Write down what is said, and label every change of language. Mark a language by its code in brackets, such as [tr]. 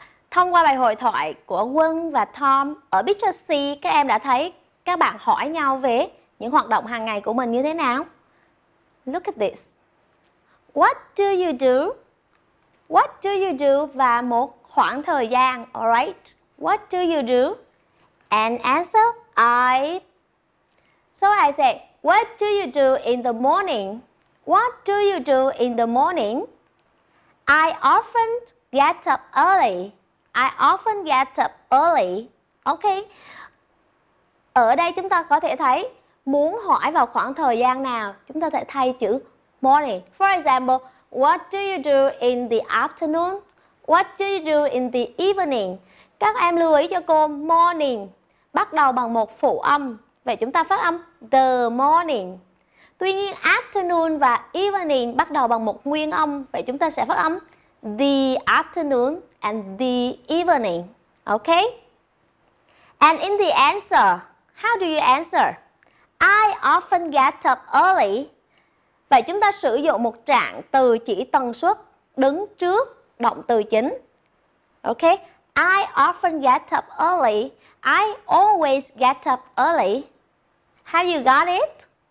[vi] Thông qua bài hội thoại của Quân và Tom, ở picture C các em đã thấy các bạn hỏi nhau về những hoạt động hàng ngày của mình như thế nào. [en] Look at this. What do you do? What do you do? [vi] Và một khoảng thời gian, alright? [en] What do you do? And answer, I. So I say, what do you do in the morning? What do you do in the morning? I often get up early. I often get up early. Ok. [vi] Ở đây chúng ta có thể thấy, muốn hỏi vào khoảng thời gian nào, chúng ta sẽ thay chữ morning. [en] For example, what do you do in the afternoon? What do you do in the evening? [vi] Các em lưu ý cho cô, morning bắt đầu bằng một phụ âm. Vậy chúng ta phát âm [en] the morning. [vi] Tuy nhiên afternoon và evening bắt đầu bằng một nguyên âm. Vậy chúng ta sẽ phát âm [en] the afternoon and the evening. Ok? And in the answer, how do you answer? I often get up early. [vi] Vậy chúng ta sử dụng một trạng từ chỉ tần suất đứng trước động từ chính. [en] Ok? I often get up early. I always get up early. Have you got it?